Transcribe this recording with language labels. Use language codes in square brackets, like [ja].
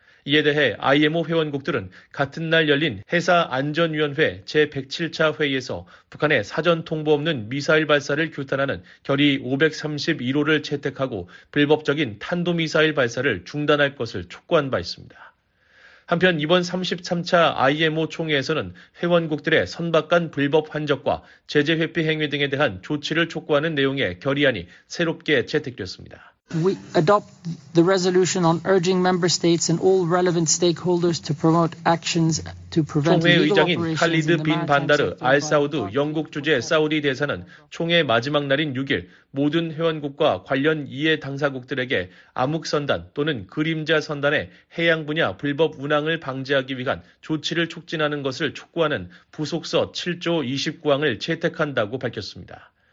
[ko] 이에 대해 IMO 회원국들은 같은 날 열린 해사안전위원회 제107차 회의에서 북한의 사전 통보 없는 미사일 발사를 규탄하는 결의 531호를 채택하고 불법적인 탄도미사일 발사를 중단할 것을 촉구한 바 있습니다. 한편 이번 33차 IMO 총회에서는 회원국들의 선박 간 불법 환적과 제재 회피 행위 등에 대한 조치를 촉구하는 내용의 결의안이 새롭게 채택됐습니다. [en] We adopt the resolution on urging member states and all relevant stakeholders to promote actions to prevent illegal operations. [ko] 총회 의장인 칼리드 빈 반다르 알 사우드 영국 주재 사우디 대사는 총회 마지막 날인 6일 모든 회원국과 관련 이해 당사국들에게 암흑선단 또는 그림자 선단의 해양 분야 불법 운항을 방지하기 위한 조치를 촉진하는 것을 촉구하는 부속서 7조 29항을 채택한다고 밝혔습니다.